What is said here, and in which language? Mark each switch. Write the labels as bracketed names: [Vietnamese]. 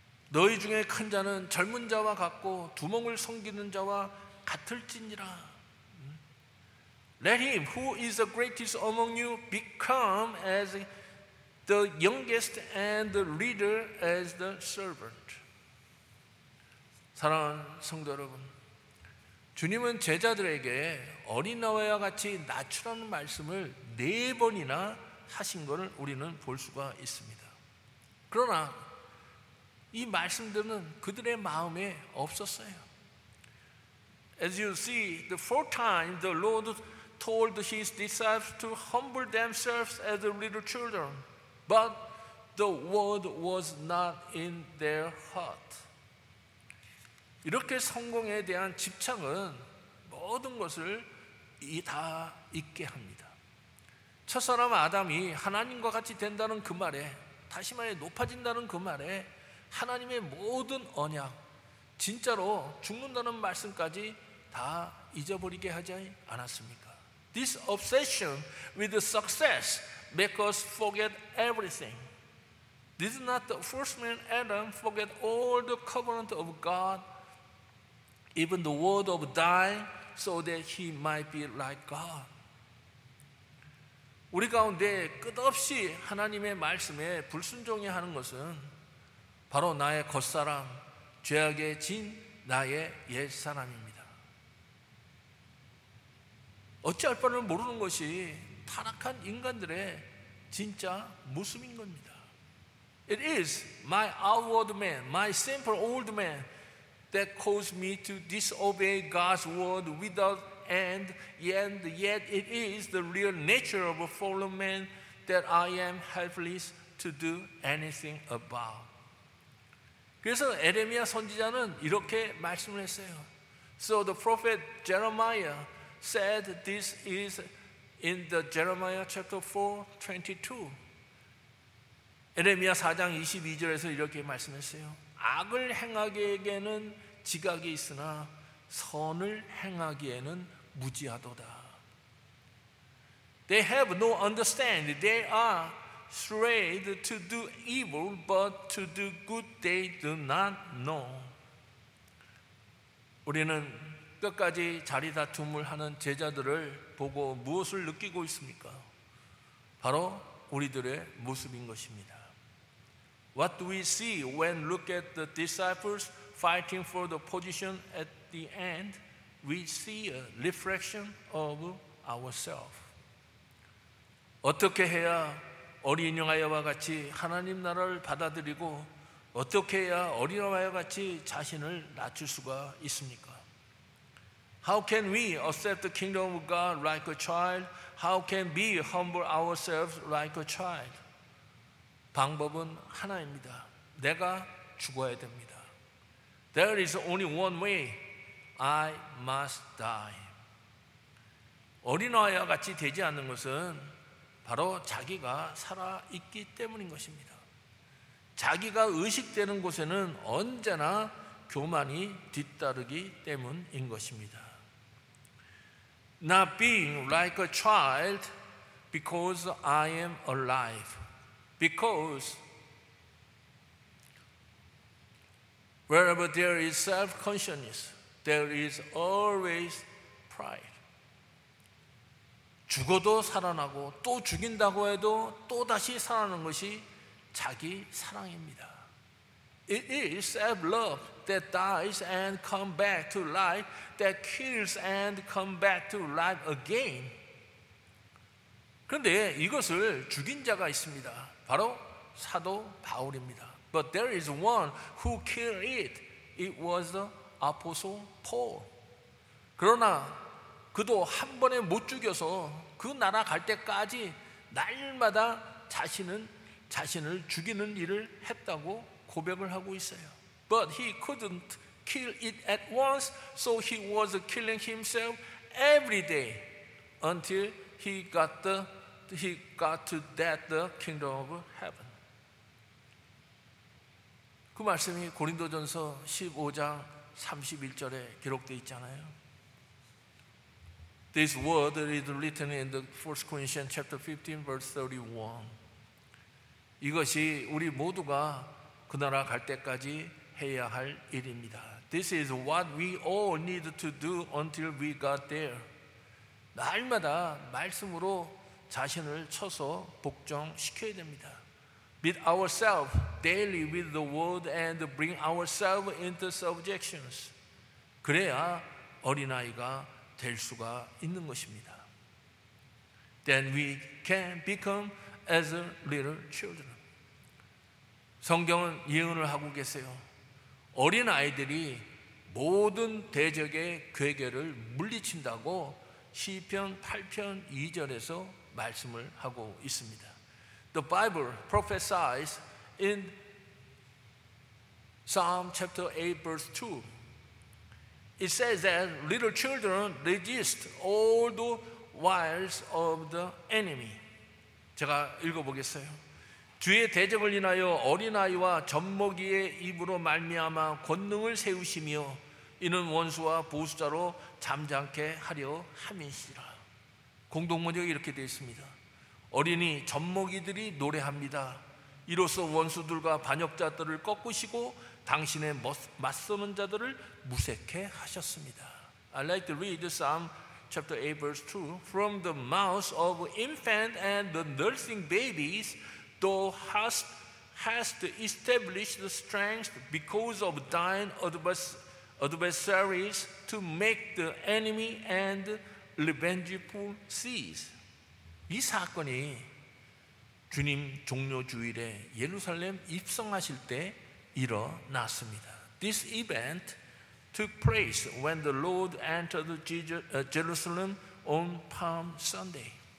[Korean] 너희 중에 큰 자는 젊은 자와 같고 두목을 섬기는 자와 같을지니라. [English] Let him who is the greatest among you become as the youngest and the leader as the servant. [Korean] 사랑하는 성도 여러분, 주님은 제자들에게 어린 나와 같이 낮추라는 말씀을 네 번이나 하신 것을 우리는 볼 수가 있습니다. 그러나 이 말씀들은 그들의 마음에 없었어요. [English] As you see, the four times the Lord told his disciples to humble themselves as little children, but the word was not in their heart. [Korean] 이렇게 성공에 대한 집착은 모든 것을 다 잊게 합니다. 첫 사람 아담이 하나님과 같이 된다는 그 말에, 다시 말해 높아진다는 그 말에 하나님의 모든 언약, 진짜로 죽는다는 말씀까지 다 잊어버리게 하지 않았습니까? [English] This obsession with the success make us forget everything. Did not the first man Adam forget all the covenant of God, even the word of dying, so that he might be like God? [Korean] 우리 가운데 끝없이 하나님의 말씀에 불순종이 하는 것은 바로 나의 겉사람, 죄악에 진 나의 옛사람입니다. 어찌할 바를 모르는 것이 타락한 인간들의 진짜 모습인 겁니다. [English] It is my outward man, my simple old man that caused me to disobey God's word without end, and yet it is the real nature of a fallen man that I am helpless to do anything about. [Korean] 그래서 에레미야 선지자는 이렇게 말씀을 했어요. [English] So the prophet Jeremiah said this is in the Jeremiah chapter 4:22. [Korean] 에레미야 4장 22절에서 이렇게 말씀했어요. 악을 행하기에게는 지각이 있으나 선을 행하기에는 무지하도다. [English] They have no understanding. They are afraid to do evil, but to do good they do not know. [Korean] 우리는 끝까지 자리다툼을 하는 제자들을 보고 무엇을 느끼고 있습니까? 바로 우리들의 모습인 것입니다. [English] What do we see when look at the disciples fighting for the position at the end? We see a reflection of ourselves. [Korean] 어떻게 해야 어린 영아와 같이 하나님 나라를 받아들이고 어떻게 해야 어린 영아와 같이 자신을 낮출 수가 있습니까? [English] How can we accept the kingdom of God like a child? How can we humble ourselves like a child? [Korean] 방법은 하나입니다. 내가 죽어야 됩니다. [English] There is only one way. I must die. [Korean] 어린아이와 같이 되지 않는 것은 바로 자기가 살아있기 때문인 것입니다. 자기가 의식되는 곳에는 언제나 교만이 뒤따르기 때문인 것입니다. [English] Not being like a child because I am alive. Because wherever there is self-consciousness, there is always pride. [Korean] 죽어도 살아나고 또 죽인다고 해도 또다시 살아나는 것이 자기 사랑입니다. [English] It is self-love that dies and comes back to life, that kills and comes back to life again. [Korean] 그런데 이것을 죽인 자가 있습니다. 바로 사도 바울입니다. [English] But there is one who killed it. It was the Apostle Paul. [Korean] 그러나 그도 한 번에 못 죽여서 그 나라 갈 때까지 날마다 자신을 죽이는 일을 했다고 고백을 하고 있어요. [English] But he couldn't kill it at once, so he was killing himself every day until he got to the kingdom of heaven. [Korean] 그 말씀이 고린도전서 15장 31절에 기록되어 있잖아요. [English] This word is written in the 1 Corinthians chapter 15 verse 31. [Korean] 이것이 우리 모두가 그 나라 갈 때까지 해야 할 일입니다. [English] This is what we all need to do until we got there. [Korean] 날마다 말씀으로 자신을 쳐서 복종시켜야 됩니다. [English] Beat ourselves daily with the word and bring ourselves into subjections. [Korean] 그래야 어린아이가 될 수가 있는 것입니다. [English] Then we can become as a little children. [Korean] 성경은 예언을 하고 계세요. 어린아이들이 모든 대적의 궤계를 물리친다고 시편 8편 2절에서 말씀을 하고 있습니다. [English] The Bible prophesies in Psalm chapter 8 verse 2. It says that little children resist all the wiles of the enemy. [Korean] 제가 읽어보겠어요. 주의 대적을 인하여 어린아이와 젖먹이의 입으로 말미암아 권능을 세우시며 이는 원수와 보수자로 잠잠케 하려 함이시라. 공동번역이 이렇게 되어 있습니다. 어린이 젖먹이들이 노래합니다. 이로써 원수들과 반역자들을 꺾으시고 당신의 맞서는 자들을 무색해 하셨습니다. [English] I like to read Psalm chapter 8 verse 2. From the mouth of infant and the nursing babies, thou hast established the strength because of thine adversaries to make the enemy and revengeful cease. [Korean] 이 사건이 주님 종료 주일에 예루살렘 입성하실 때 일어났습니다. [English] This event took place when the Lord entered Jerusalem on Palm Sunday.